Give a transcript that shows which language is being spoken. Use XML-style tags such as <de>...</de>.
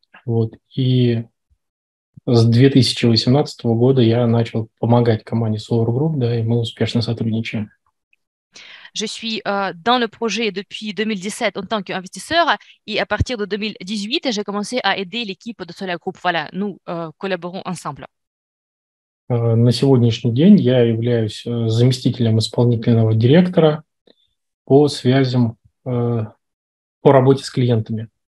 <ru>Вот, и с 2018 года я начал помогать команде Solar Group, да, и мы успешно сотрудничаем.</ru> <fr>Je suis dans le projet depuis 2017 en tant qu'investisseur et à partir de 2018, j'ai commencé à aider l'équipe de Solar Group. Voilà, nous collaborons ensemble.</fr> <ru>На сегодняшний день я являюсь заместителем исполнительного директора по связям, по работе с клиентами.</ru>